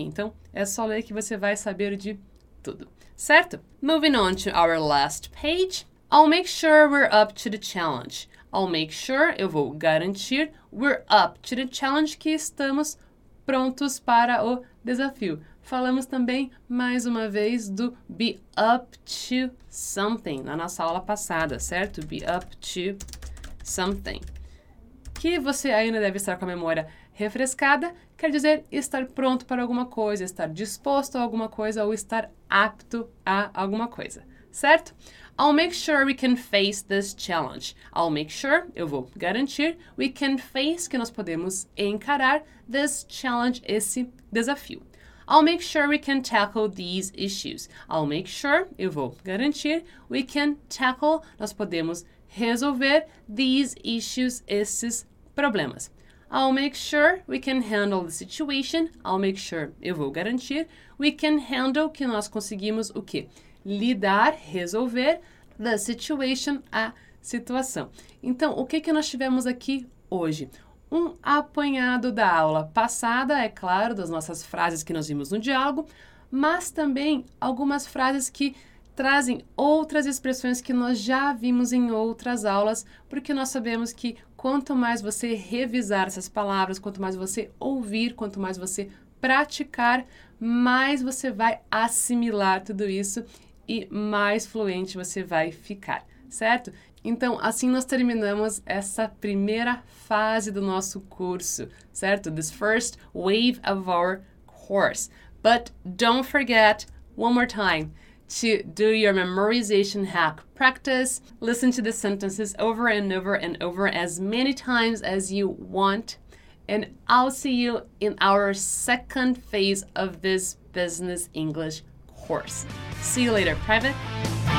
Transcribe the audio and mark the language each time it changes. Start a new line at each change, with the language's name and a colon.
Portuguese: Então, é só ler que você vai saber de tudo, certo?
English: Moving on to our last page. I'll make sure we're up to the challenge. I'll make sure,
Portuguese: eu vou garantir,
English: we're up to the challenge,
Portuguese: que estamos prontos para o desafio. Falamos também, mais uma vez, do
English: be up to something
Portuguese: na nossa aula passada, certo?
English: Be up to something.
Portuguese: Que você ainda deve estar com a memória refrescada, quer dizer estar pronto para alguma coisa, estar disposto a alguma coisa ou estar apto a alguma coisa, certo?
English: I'll make sure we can face this challenge. I'll make sure,
Portuguese: eu vou garantir,
English: we can face,
Portuguese: que nós podemos encarar,
English: this challenge,
Portuguese: esse desafio.
English: I'll make sure we can tackle these issues. I'll make sure,
Portuguese: eu vou garantir,
English: we can tackle,
Portuguese: nós podemos resolver
English: these issues,
Portuguese: esses problemas.
English: I'll make sure we can handle the situation. I'll make sure,
Portuguese: eu vou garantir,
English: we can handle,
Portuguese: que nós conseguimos o quê? Lidar, resolver,
English: the situation,
Portuguese: a situação. Então, o que nós tivemos aqui hoje? Um apanhado da aula passada, é claro, das nossas frases que nós vimos no diálogo, mas também algumas frases que trazem outras expressões que nós já vimos em outras aulas, porque nós sabemos que quanto mais você revisar essas palavras, quanto mais você ouvir, quanto mais você praticar, mais você vai assimilar tudo isso e mais fluente você vai ficar, certo? Então, assim nós terminamos essa primeira fase do nosso curso, certo?
English: This first wave of our course. But don't forget, one more time, to do your memorization hack practice. Listen to the sentences over and over and over as many times as you want. And I'll see you in our second phase of this Business English course. See you later, private.